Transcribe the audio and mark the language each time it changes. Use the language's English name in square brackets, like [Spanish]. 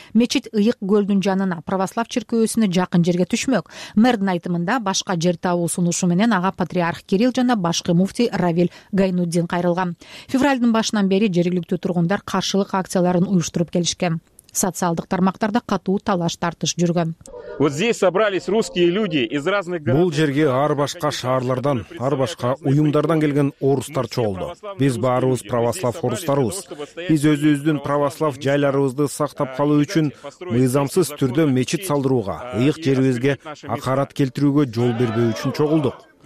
[Kyrgyz] Мечит ыйык көлдүн жанына, православ чиркөөсүнө жакын жерге түшмөк. Мэрдин айтымында башка жер табуу сунушу менен ага патриарх Кирилл жана башкы муфтий Равил Гайнуддин кайрылган. Февралдын башынан бери жергиликтүү тургундар каршылык акцияларын уюштуруп келишкен. Социалдык тармактарда катуу талаш тартыш жүргөн. [Russian] Вот здесь собрались русские люди из разных городов. [Kyrgyz] Бул жерге ар башка шаарлардан, ар башка уюмдардан келген орустар чогулду. Биз баарыбыз православ орустарбыз. Биз өзүбүздүн православ жайларыбызды сактап калуу үчүн мыйзамсыз түрдө мечит салдырууга, ыйык жерибизге акарат келтирүүгө жол бербөө үчүн чогулдук.